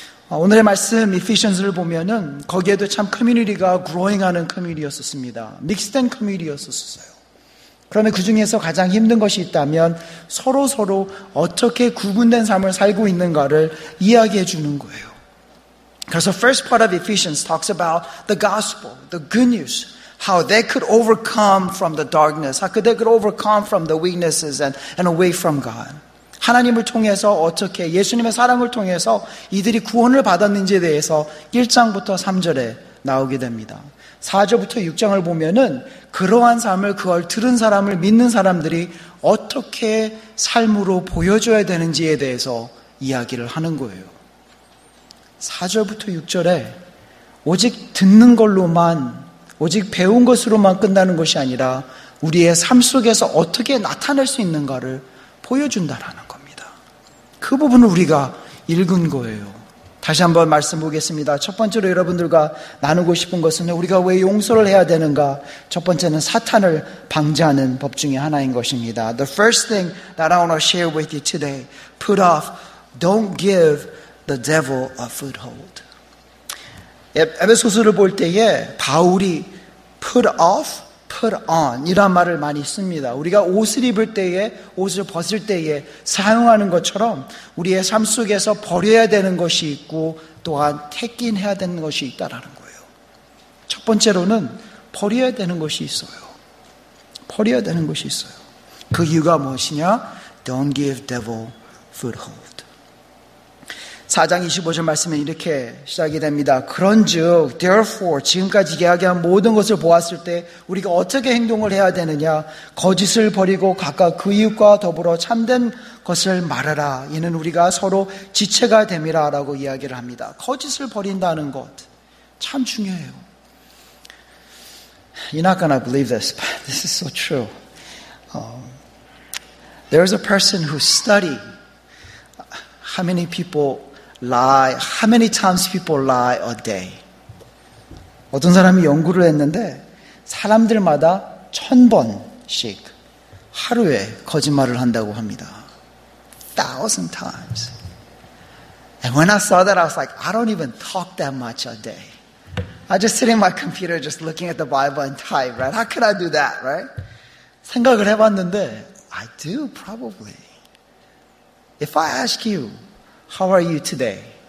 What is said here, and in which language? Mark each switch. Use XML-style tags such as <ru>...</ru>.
<ko>오늘의 말씀 Ephesians를 보면은 거기에도 참 커뮤니티가 growing하는 커뮤니티였었습니다.</ko> <en>Mixed and community였었어요.</en> <ko>그러면 그 중에서 가장 힘든 것이 있다면 서로 어떻게 구분된 삶을 살고 있는가를 이야기해 주는 거예요.</ko> <en>그래서 first part of Ephesians talks about the gospel, the good news. How they could overcome from the darkness. How could they could overcome from the weaknesses and away from God.</en> <ko>하나님을 통해서 어떻게 예수님의 사랑을 통해서 이들이 구원을 받았는지에 대해서 1장부터 3절에 나오게 됩니다. 4절부터 6장을 보면은 그러한 삶을 그걸 들은 사람을 믿는 사람들이 어떻게 삶으로 보여줘야 되는지에 대해서 이야기를 하는 거예요. 4절부터 6절에 오직 듣는 걸로만 오직 배운 것으로만 끝나는 것이 아니라 우리의 삶 속에서 어떻게 나타낼 수 있는가를 보여준다라는 겁니다. 그 부분을 우리가 읽은 거예요. 다시 한번 말씀 보겠습니다. 첫 번째로 여러분들과 나누고 싶은 것은 우리가 왜 용서를 해야 되는가? 첫 번째는 사탄을 방지하는 법 중에 하나인 것입니다.</ko> <en>The first thing that I want to share with you today, put off, don't give the devil a foothold.</en> <ko>에베소서를 볼 때에 바울이 put off, put on 이란 말을 많이 씁니다. 우리가 옷을 입을 때에, 옷을 벗을 때에 사용하는 것처럼 우리의 삶 속에서 버려야 되는 것이 있고 또한 택긴 해야 되는 것이 있다라는 거예요. 첫 번째로는 버려야 되는 것이 있어요. 버려야 되는 것이 있어요. 그 이유가 무엇이냐?</ko> <en>Don't give devil foothold.</en> <ko>4장 25절 말씀은 이렇게 시작이 됩니다. 그런즉 therefore 지금까지 이야기한 모든 것을 보았을 때 우리가 어떻게 행동을 해야 되느냐 거짓을 버리고 각각 그 이웃과 더불어 참된 것을 말하라 이는 우리가 서로 지체가 됨이라 라고 이야기를 합니다. 거짓을 버린다는 것 참 중요해요.</ko> <en>You're not gonna believe this but this is so true. There's a person who study how many people lie, how many times people lie a day?</en> <ko>어떤 사람이 연구를 했는데 사람들마다 1,000번씩 하루에 거짓말을 한다고 합니다.</ko> <en>1,000 times. And when I saw that, I was like, I don't even talk that much a day. I just sit in my computer just looking at the Bible and type, right? How could I do that, right?</en> <ko>생각을 해봤는데,</ko> <en>I do probably. If I ask you, how are you today?</en>